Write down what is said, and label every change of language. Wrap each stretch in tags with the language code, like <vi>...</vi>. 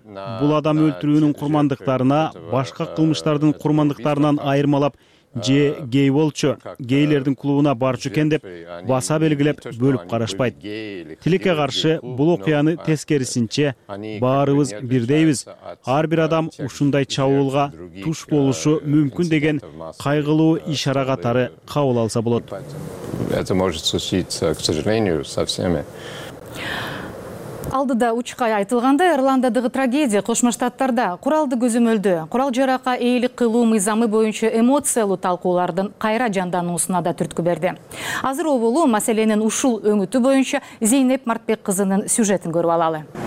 <ky>Бул адам өлтүрүүнүн курмандыктарына, башка кылмыштардын курмандыктарынан айырмалап же гей болчу, гейлердин клубуна барчу экен деп баса белгилеп бөлүп карашпайт. Тилекке каршы бул окуяны тескерисинче баарыбыз бирдейбиз. Ар бир адам ушундай чабуулга туш болушу мүмкүн деген кайгылуу ишара катары кабыл алса болот.</ky> <ru>Это может случиться, к сожалению, со всеми.</ru> <ky>Алдыда учка айтылгандай, Ирландадагы трагедия Кошмо Штаттарда куралды көзөмөлдө, курал жарака ээлик кылуу мыйзамы боюнча эмоциялуу талкуулардын кайра жандануусуна да түрткү берди. Азыр оболуу маселенин ушул өңүтү боюнча Зейнеп Мартбек кызынын сюжетин көрүп алалы.</ky>